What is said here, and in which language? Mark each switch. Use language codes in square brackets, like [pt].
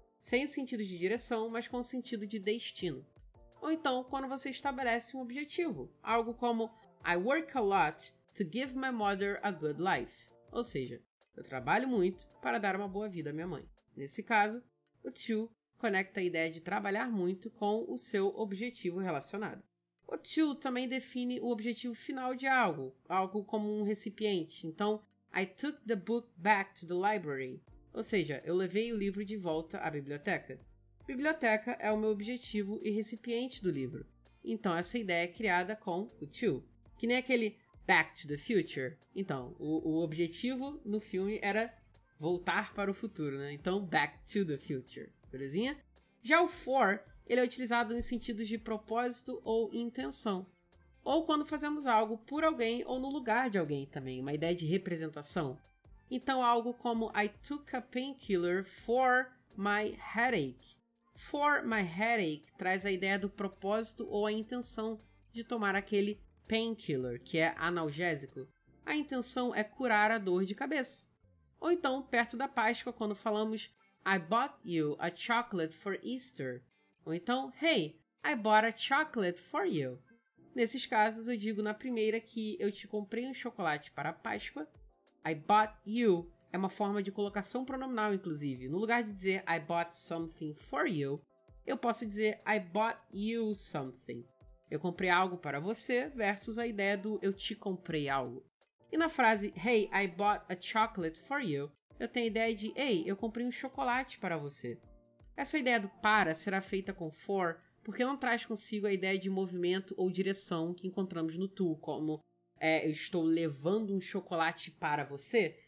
[pt] Sem o sentido de direção, mas com o sentido de destino. Ou então, quando você estabelece um objetivo, algo como [en] I work a lot to give my mother a good life. [pt] Ou seja, eu trabalho muito para dar uma boa vida à minha mãe. Nesse caso, o to conecta a ideia de trabalhar muito com o seu objetivo relacionado. O to também define o objetivo final de algo, algo como um recipiente. [en] Então, I took the book back to the library. [pt] Ou seja, eu levei o livro de volta à biblioteca. Biblioteca é o meu objetivo e recipiente do livro. Então, essa ideia é criada com o to. Que nem aquele Back to the Future. Então, o objetivo no filme era voltar para o futuro, né? Então, Back to the Future. Belezinha? Já o for, ele é utilizado em sentidos de propósito ou intenção. Ou quando fazemos algo por alguém ou no lugar de alguém também. Uma ideia de representação. Então, algo como [en] I took a painkiller for my headache. For my headache [pt] traz a ideia do propósito ou a intenção de tomar aquele painkiller, que é analgésico, a intenção é curar a dor de cabeça. Ou então, perto da Páscoa, quando falamos [en] I bought you a chocolate for Easter. [pt] Ou então, [en] hey, I bought a chocolate for you. [pt] Nesses casos, eu digo na primeira que eu te comprei um chocolate para a Páscoa. [en] I bought you [pt] é uma forma de colocação pronominal, inclusive. No lugar de dizer [en] I bought something for you, [pt] eu posso dizer [en] I bought you something. [pt] Eu comprei algo para você versus a ideia do eu te comprei algo. E na frase, [en] hey, I bought a chocolate for you, [pt] eu tenho a ideia de, ei, eu comprei um chocolate para você. Essa ideia do para será feita com for porque não traz consigo a ideia de movimento ou direção que encontramos no to, como eu estou levando um chocolate para você.